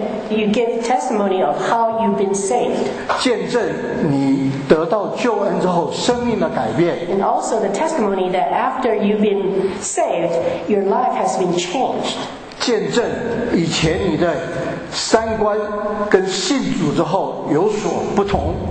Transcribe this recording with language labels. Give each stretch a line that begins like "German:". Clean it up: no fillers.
English: You give testimony of how you've been saved.
Chinese: 见证你得到救恩之后生命的改变。
English: And also the testimony that after you've been saved, your life has been changed.
Chinese: 见证以前你的三观跟信主之后有所不同。